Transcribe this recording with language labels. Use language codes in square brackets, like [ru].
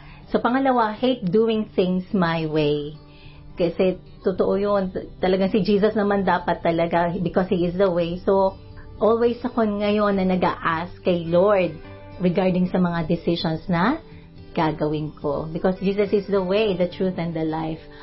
[en] So, [tl] pangalawa, [en] hate doing things my way. [tl] Kasi totoo yun, talagang si Jesus naman dapat talaga [en] because He is the way. [tl] So, always ako ngayon na nag-a-ask kay Lord regarding sa mga decisions na gagawin ko. [en] Because Jesus is the way, the truth, and the life.